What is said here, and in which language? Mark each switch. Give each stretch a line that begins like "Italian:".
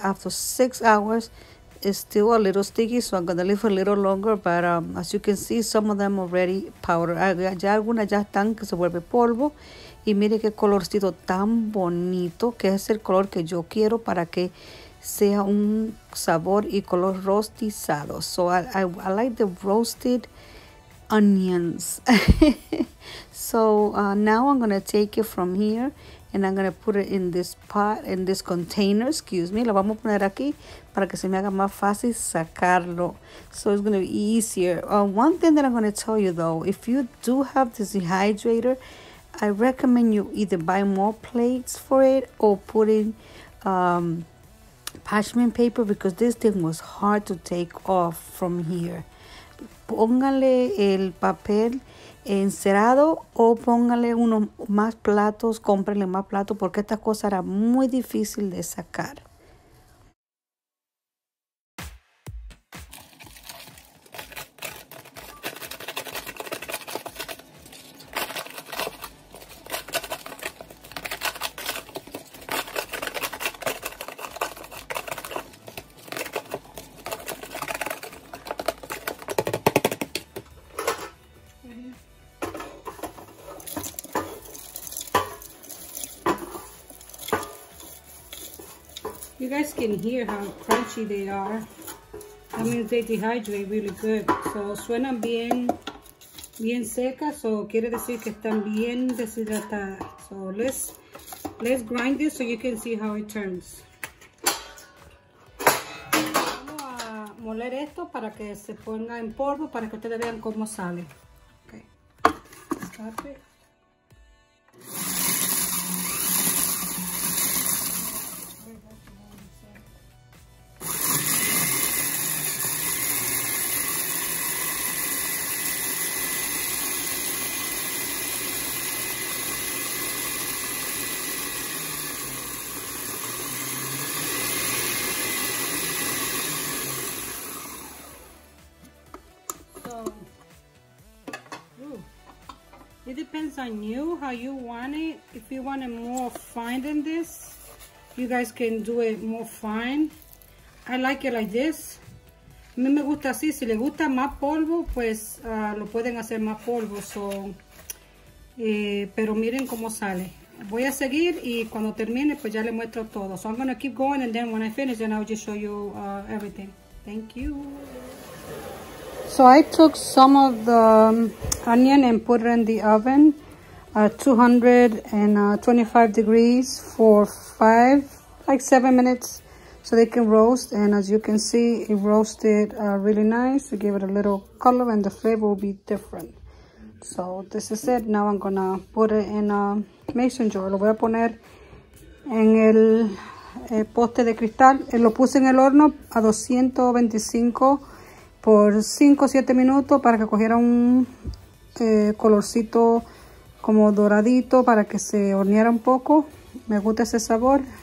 English: After 6 hours, it's still a little sticky, so I'm gonna leave a little longer. But as you can see, some of them already powder.
Spanish: Ya algunas ya están que se vuelve polvo. Y mire qué colorcito tan bonito, que es el color que yo quiero para que sea un sabor y color rostizado.
English: So I like the roasted onions. So now I'm gonna take it from here. And I'm gonna put it in this pot, in this container, excuse me.
Spanish: Lo vamos a poner aquí para que se me haga más fácil sacarlo.
English: So it's gonna be easier. One thing that I'm gonna tell you though, if you do have this dehydrator, I recommend you either buy more plates for it or put in parchment paper because this thing was hard to take off from here.
Spanish: Póngale el papel encerado o póngale unos más platos, cómprenle más platos porque esta cosa era muy difícil de sacar.
English: You guys can hear how crunchy they are. I mean, they dehydrate really good.
Spanish: So, suenan bien, bien secas. So, quiere decir que están bien deshidratadas.
English: So, let's grind this so you can see how it turns.
Spanish: Vamos a moler esto para que se ponga en polvo para que ustedes vean cómo sale. Okay.
English: stop it. It depends on you, how you want it. If you want it more fine than this, you guys can do it more fine. I like it like this.
Spanish: A mí me gusta así. Si le gusta más polvo, pues lo pueden hacer más polvo. So, pero miren cómo sale. Voy a seguir y cuando termine, pues ya le muestro todo.
English: So I'm gonna keep going and then when I finish, then I'll just show you everything. Thank you. So I took some of the onion and put it in the oven at 225 degrees for seven minutes so they can roast. And as you can see, it roasted really nice. It gave it a little color and the flavor will be different. So this is it. Now I'm gonna put it in a mason jar.
Spanish: Lo voy a poner en el poste de cristal. Lo puse en el horno a 225 por 5 o 7 minutos para que cogiera un colorcito como doradito para que se horneara un poco. Me gusta ese sabor.